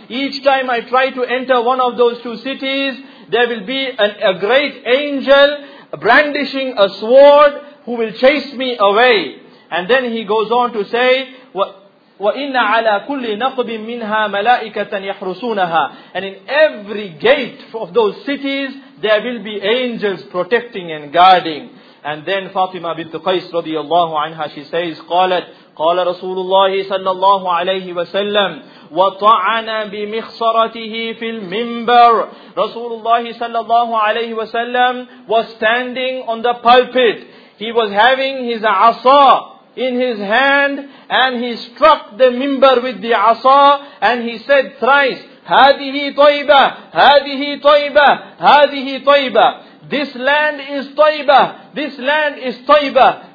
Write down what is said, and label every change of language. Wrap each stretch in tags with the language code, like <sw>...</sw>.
<en>Each time I try to enter one of those two cities, there will be a great angel brandishing a sword who will chase me away. And then he goes on to say,</en> <ar>وَإِنَّ عَلَىٰ كُلِّ نَقْبٍ مِّنْهَا مَلَائِكَةً يَحْرُسُونَهَا.</ar> <en>And in every gate of those cities, there will be angels protecting and guarding. And then Fatima bint Qais radiallahu anha, she says,</en> <ar>قَالَتْ قال رسول الله صلى الله عليه وسلم وطعن بمخصرته في المنبر. رسول الله صلى الله عليه وسلم</ar> <en>was standing on the pulpit. He was having his asa in his hand and he struck the minbar with the asa and he said thrice,</en> <ar>هذه طيبة هذه طيبة هذه طيبة.</ar> <en>This land is طيبة. This land is طيبة.</en>